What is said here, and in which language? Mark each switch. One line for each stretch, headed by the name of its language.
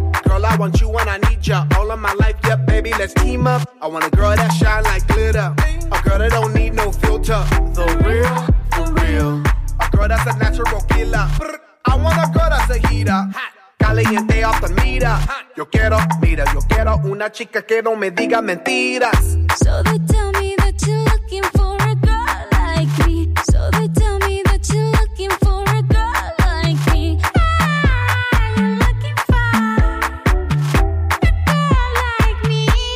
English: Girl, I want you when I need ya. All of my life, yeah, baby, let's team up. I want a girl that shine like glitter. A girl that don't need no filter. The real, for real. A girl that's a natural killer. I want a girl that's a heater. Caliente off the meter.
Spanish: Yo quiero, mira, yo quiero una chica que no me diga mentiras.
English: So they tell me that you're looking for a girl like me. So they tell me that you're looking for a girl like me. Ah, you're looking for a girl like me.